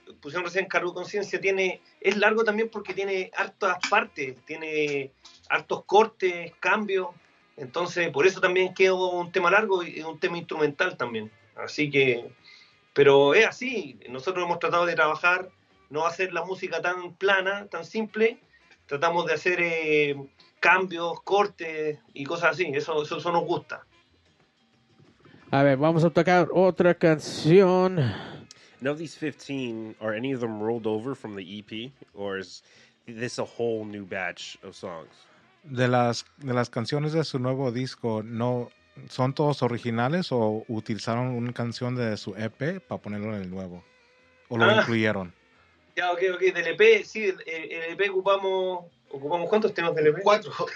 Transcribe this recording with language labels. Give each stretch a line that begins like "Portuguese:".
Spanish: pusieron recién Cargo de Conciencia, es largo también porque tiene hartas partes, tiene hartos cortes, cambios, entonces por eso también quedó un tema largo y un tema instrumental también, así que, pero es así, nosotros hemos tratado de trabajar, no hacer la música tan plana, tan simple, tratamos de hacer cambios, cortes y cosas así, eso nos gusta. A ver, vamos a tocar otra canción...
English: Now these 15, are any of them rolled over from the EP, or is this a whole new batch of songs?
Spanish: De las canciones de su nuevo disco, no, ¿son todos originales o utilizaron una canción de su EP para ponerlo en el nuevo? ¿O lo incluyeron? Ya, ok, del EP, sí, el EP ocupamos, ¿cuántos temas del EP? 4.